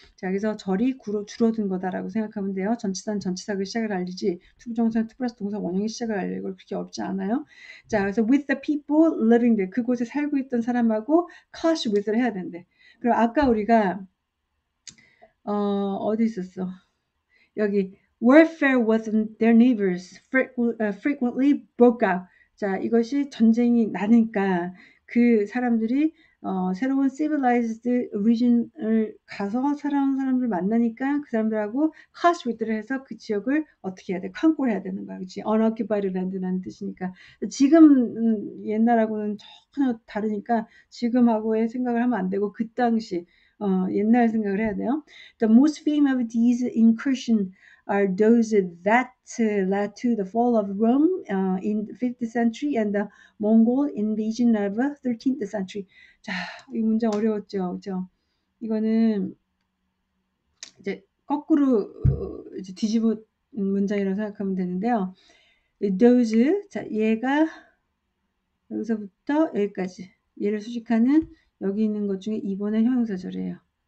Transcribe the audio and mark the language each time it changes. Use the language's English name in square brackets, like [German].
[Korean] 자, 그래서 절이 구로 줄어든 거다라고 생각하면 돼요. 전치사는 전치사가 시작을 알리지, 투부정사는 투플러스 동사 원형이 시작을 알리는 걸 그렇게 어렵지 않아요. 자, 그래서 [English] with the people living there, [Korean] 그곳에 살고 있던 사람하고 clash with를 해야 된대. 그럼 아까 우리가 어디 있었어? 여기 [English] warfare with their neighbors frequently broke out. [Korean] 자, 이것이 전쟁이 나니까 그 사람들이 새로운 [English] civilized region [Korean] 을 가서 살아온 사람들을 만나니까 그 사람들하고 clash with를 해서 그 지역을 어떻게 해야 돼? 컨콜해야 되는 거야, 그렇지? [English] Unoccupied land [Korean] 라는 뜻이니까. 지금 옛날하고는 전혀 다르니까 지금하고의 생각을 하면 안 되고 그 당시 옛날 생각을 해야 돼요. [English] The most famous of these incursion are those that led to the fall of Rome in the 5th century and the Mongol invasion of the 13th century. [Korean] 자, 이 문장 어려웠죠, 그렇죠? 이거는 이제 거꾸로 이제 뒤집은 문장이라고 생각하면 되는데요. [English] Those, [Korean] 자, 얘가 여기서부터 여기까지 얘를 수식하는 여기 있는 것 중에 2번의 형용사절이에요.